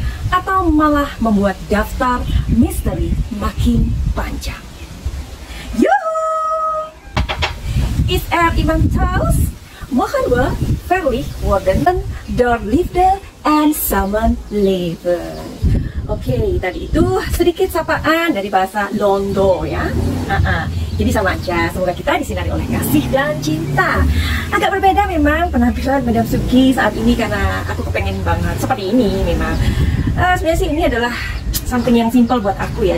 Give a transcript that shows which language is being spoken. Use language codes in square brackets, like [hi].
[id] Atau malah membuat daftar misteri makin panjang? [nl] Is er iemand thuis? Mogen we verlicht worden door liefde en samenleven? [id] Oke, tadi itu sedikit sapaan dari bahasa Londo ya. Jadi sama aja, semoga kita disinari oleh kasih dan cinta. Agak berbeda memang penampilan Madam Suki saat ini karena aku kepengen banget seperti ini memang. Sebenarnya sih ini adalah something yang simple buat aku ya.